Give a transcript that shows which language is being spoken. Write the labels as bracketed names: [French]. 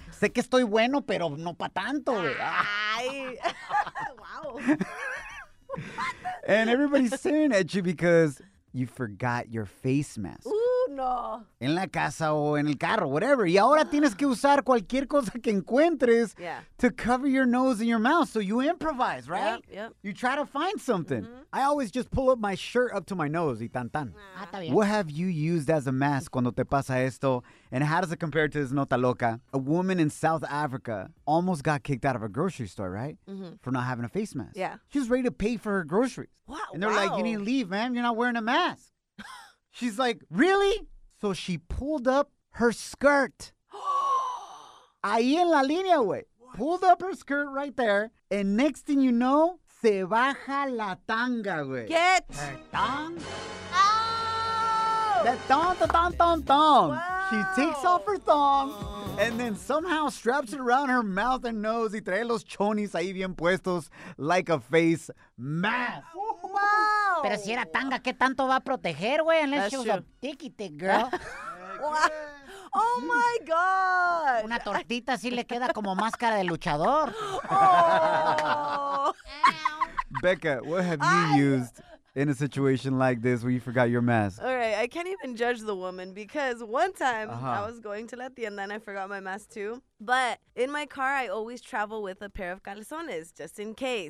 [Spanish] Sé que estoy bueno, pero no pa' tanto. [English] Ay. Wow. And everybody's staring at you because you forgot your face mask. Ooh, no. [Spanish] En la casa o en el carro, whatever. Y ahora tienes que usar cualquier cosa que encuentres [English] yeah. to cover your nose and your mouth. So you improvise, right? Yep. Yep. You try to find something. Mm-hmm. I always just pull up my shirt up to my nose [Spanish] y tan tan. [English] Ah, what have you used as a mask [Spanish] cuando te pasa esto? [English] And how does it compare to this [Spanish] nota loca? [English] A woman in South Africa almost got kicked out of a grocery store, right? Mm-hmm. For not having a face mask. Yeah. She was ready to pay for her groceries. Wow. And they're wow. like, you need to leave, man. You're not wearing a mask. She's like, really? So she pulled up her skirt. [Spanish] Ahí en la línea, güey. [English] Pulled up her skirt right there. And next thing you know, [Spanish] se baja la tanga, güey. [English] Get. Her tongue. Oh. The thong, the thong, thong, thong. Wow. She takes off her thong and then somehow straps it around her mouth and nose. [Spanish] Y trae los chonis ahí bien puestos [English] like a face mask. Wow. [Spanish] Pero si era tanga, ¿qué tanto va a proteger, güey? [English] Unless she was a tiki-tik, girl. Oh, my God. [Spanish] Una tortita así le queda como máscara de luchador. [English] Oh. Becca, what have you used? In a situation like this where you forgot your mask. All right, I can't even judge the woman because one time I was going to [Spanish] la tienda [English] and I forgot my mask too. But in my car, I always travel with a pair of calzones just in case.